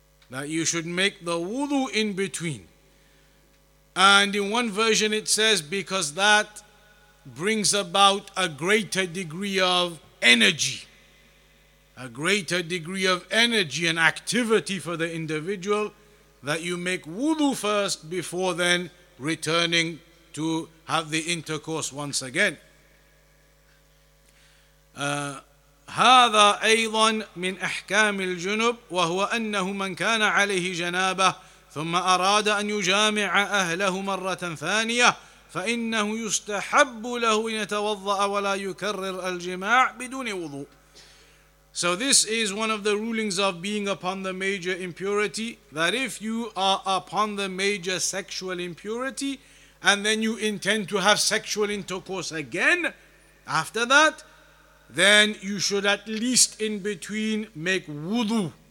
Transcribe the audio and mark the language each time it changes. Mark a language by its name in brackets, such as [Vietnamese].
[English] That you should make the wudu in between. And in one version it says, because that brings about a greater degree of energy. A greater degree of energy and activity for the individual, that you make wudu first before then returning to have the intercourse once again. [Arabic] هذا أيضا من أحكام الجنب وهو أنه من كان عليه جنابة ثم أراد أن يجامع أهله مرة ثانية فإنه يستحب له أن يتوضأ ولا يكرر الجماع بدون وضوء. [English] So this is one of the rulings of being upon the major impurity, that if you are upon the major sexual impurity and then you intend to have sexual intercourse again after that, then you should at least in between make wudu.